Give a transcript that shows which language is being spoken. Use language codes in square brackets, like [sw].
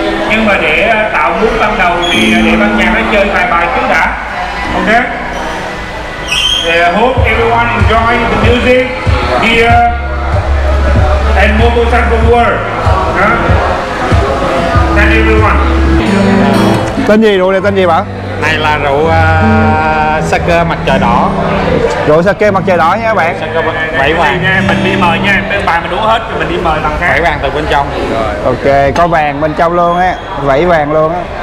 [vi] Nhưng mà để tạo mood ban đầu thì để ban nhạc nó chơi vài bài trước đã. Ok. [en] Hope everyone enjoy the music here and motorcycle world. Thank you everyone. [vi] Tên gì, rượu này tên gì bạn? Này là rượu sake mặt trời đỏ. Rượu sake mặt trời đỏ nha các bạn. Bảy vàng nha, mình đi mời nha. Bên bài mình đủ hết thì mình đi mời thằng khác. Bảy vàng từ bên trong. Rồi. Ok, có vàng bên trong luôn á, bảy vàng luôn á.